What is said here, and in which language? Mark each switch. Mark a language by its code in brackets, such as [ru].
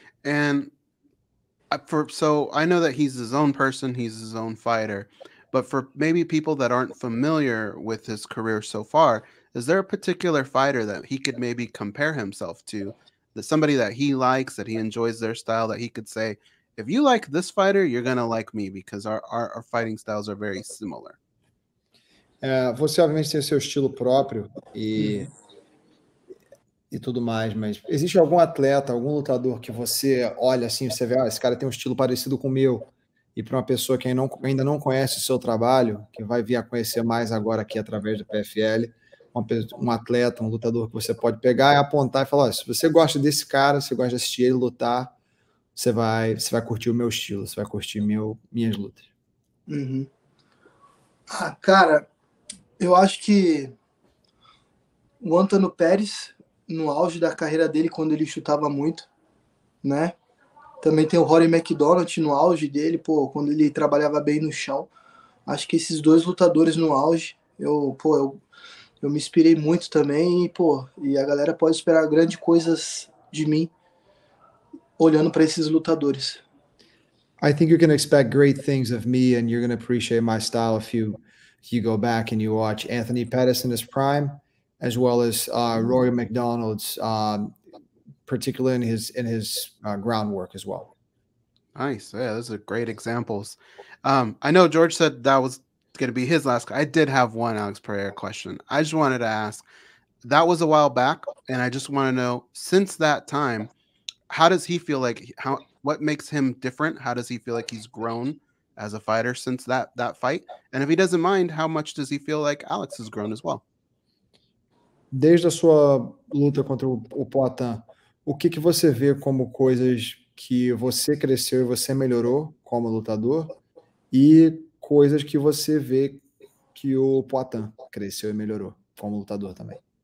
[en] And I know that he's his own person, he's his own fighter, but for maybe people that aren't familiar with his career so far, is there a particular fighter that he could maybe compare himself to, that somebody that he likes, that he enjoys their style, that he could say, if you like this fighter, you're going to like me because our fighting styles are very similar. [pt] Você obviamente tem o seu estilo próprio e tudo mais, mas existe algum atleta, algum lutador que você olha assim, você vê, ah, esse cara tem um estilo parecido com o meu, e para uma pessoa que ainda não conhece o seu trabalho, que vai vir a conhecer mais agora aqui através do PFL, um atleta, um lutador que você pode pegar e apontar e falar, se você gosta desse cara, você gosta de assistir ele lutar, Você vai curtir o meu estilo, você vai curtir minhas lutas. Ah, cara, eu acho que o Antônio Pérez, no auge da carreira dele, quando ele chutava muito, né? Também tem o Rory McDonald no auge dele, pô, quando ele trabalhava bem no chão. Acho que esses dois lutadores no auge, eu me inspirei muito também, e a galera pode esperar grandes coisas de mim olhando para esses lutadores. [en] I think you're going to expect great things of me and you're going to appreciate my style if you go back and you watch Anthony Pettis in his prime, as well as Rory McDonald's, particularly in his groundwork as well. Nice. Yeah, those are great examples. I know George said that was going to be his last. I did have one Alex Pereira question. I just wanted to ask, that was a while back, and I just want to know, since that time, how does he feel like, what makes him different? How does he feel like he's grown as a fighter since that fight? And if he doesn't mind, how much does he feel like Alex has grown as well? [pt] Desde a sua luta contra o Poatan, o que que você vê como coisas que você cresceu e você melhorou como lutador e coisas que você vê que o Poatan cresceu e melhorou como lutador também?